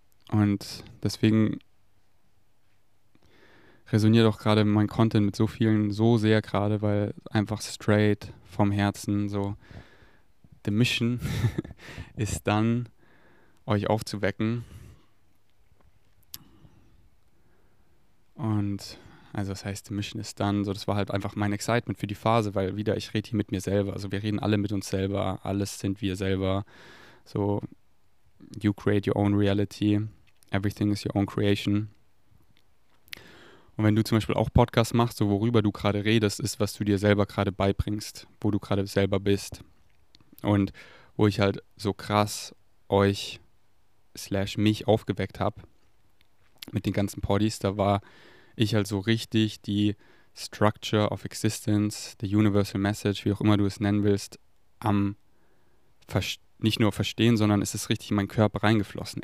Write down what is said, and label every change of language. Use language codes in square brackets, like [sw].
[de] Und deswegen resoniert auch gerade mein Content mit so vielen so sehr gerade, weil einfach straight vom Herzen so the mission ist dann, euch aufzuwecken. Und also das heißt, [en] the mission is done. [de] So, das war halt einfach mein Excitement für die Phase, weil wieder, ich rede hier mit mir selber. Also wir reden alle mit uns selber. Alles sind wir selber. [en] So, you create your own reality. Everything is your own creation. [de] Und wenn du zum Beispiel auch Podcasts machst, so worüber du gerade redest, ist, was du dir selber gerade beibringst, wo du gerade selber bist. Und wo ich halt so krass euch / mich aufgeweckt habe mit den ganzen Podis, da war ich halt so richtig die Structure of Existence, the Universal Message, wie auch immer du es nennen willst, am nicht nur verstehen, sondern es ist richtig in meinen Körper reingeflossen.